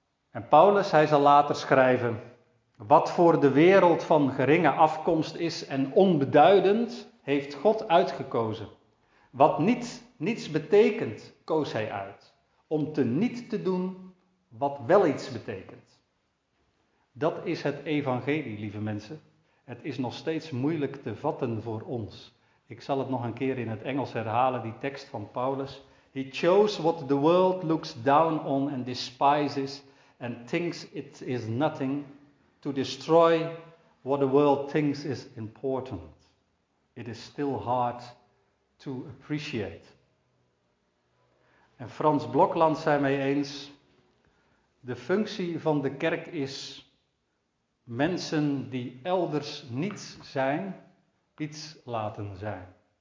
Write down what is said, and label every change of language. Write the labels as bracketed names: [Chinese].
[Dutch] En Paulus, hij zal later schrijven, wat voor de wereld van geringe afkomst is en onbeduidend, heeft God uitgekozen. Wat niets betekent, koos hij uit. om te niet te doen wat wel iets betekent. Dat is het evangelie, lieve mensen. Het is nog steeds moeilijk te vatten voor ons. Ik zal het nog een keer in het Engels herhalen, die tekst van Paulus. [English] He chose what the world looks down on and despises and thinks it is nothing to destroy what the world thinks is important. It is still hard to appreciate. [Dutch] En Frans Blokland zei mij eens, de functie van de kerk is mensen die elders niets zijn, iets laten zijn.